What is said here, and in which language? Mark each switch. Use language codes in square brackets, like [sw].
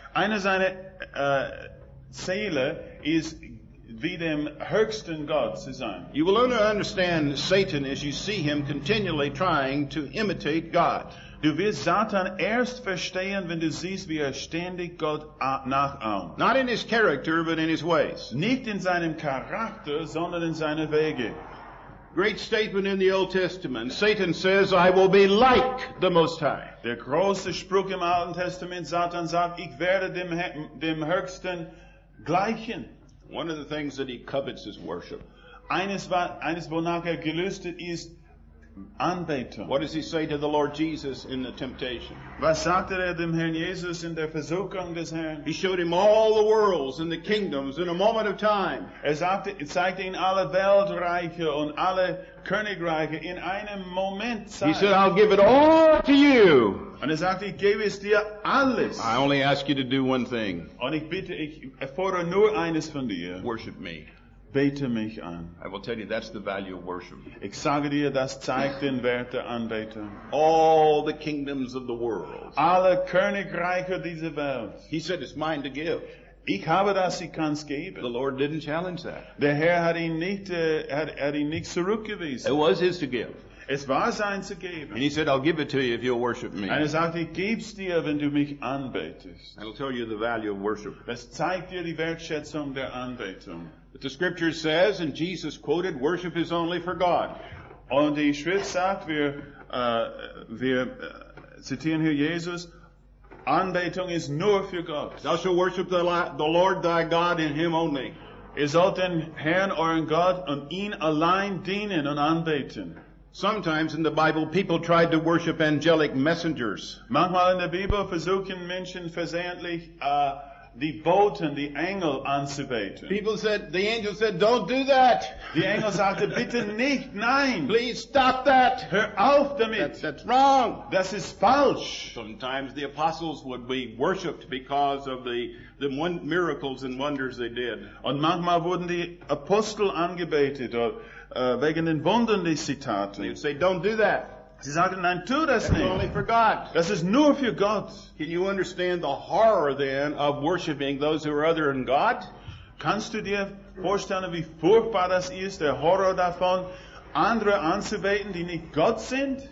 [de] Eine seiner Ziele ist, wie dem höchsten Gott zu sein. [en] You will only understand Satan as you see him continually trying to imitate God. [de] Du wirst Satan erst verstehen, wenn du siehst, wie ständig Gott nachahmt. [en] Not in his character, but in his ways. [de] Nicht in seinem Charakter, sondern in seine Wege. [en] Great statement in the Old Testament. Satan says, I will be like the Most High. [de] Der große Spruch im Alten Testament, Satan sagt, ich werde dem Höchsten gleichen. [en] One of the things that he covets is worship. [de] Eines, wonach gelüstet ist, Anbetung. [en] What does he say to the Lord Jesus in the temptation? [de] Was sagte dem Herrn Jesus in der Versuchung des Herrn? [en] He showed him all the worlds and the kingdoms in a moment of time. [de] Zeigte ihn alle Weltreiche und alle Königreiche in einem Moment. [en] He said, I'll give it all to you. [de] Und sagte, ich gebe es dir alles. [en] I only ask you to do one thing. [de] Und ich fordere nur eines von dir. [en] Worship me. [de] Bete mich an. [en] I will tell you, that's the value of worship. [de] Ich sage dir, das zeigt den Wert der Anbetung. [en] All the kingdoms of the world. [de] Alle Königreiche dieser Welt. [en] He said, it's mine to give. [de] Ich habe das, ich kann's geben. [en] The Lord didn't challenge that. [de] Der Herr hat ihn nicht, hat ihn nicht zurückgewiesen. [en] It was his to give. [de] Es war sein zu geben. [en] And he said, I'll give it to you if you'll worship me. [de] Und er sagte, ich geb's dir, wenn du mich anbetest. [en] I'll tell you the value of worship. [de] Das zeigt dir die Wertschätzung der Anbetung. [en] But the scripture says, and Jesus quoted, worship is only for God. [de] Und die Schrift sagt, wir zitieren hier Jesus, Anbetung ist nur für Gott. [en] Thou shalt worship the Lord thy God in him only. [de] Ihr sollt den Herrn euren Gott und ihn allein dienen und anbeten. [en] Sometimes in the Bible, people tried to worship angelic messengers. [de] Manchmal in der Bibel versuchen Menschen versehentlich, die Boten, die Engel anzubeten. [en] People said, the angel said, don't do that. [de] Die Engel sagte, bitte nicht, nein. [en] Please stop that. [de] Hör auf damit. [en] That's wrong. [de] Das ist falsch. [en] Sometimes the apostles would be worshipped because of the miracles and wonders they did. [de] Und manchmal wurden die Apostel angebetet wegen den Wundern, die sie taten. [en] They'd say, don't do that. [de] Sie sagten, nein, tu das nicht. [en] It's only for God. [de] Das ist nur für Gott. [en] Can you understand the horror then of worshiping those who are other than God? [de] Kannst du dir vorstellen, wie furchtbar das ist, der Horror davon, andere anzubeten, die nicht Gott sind?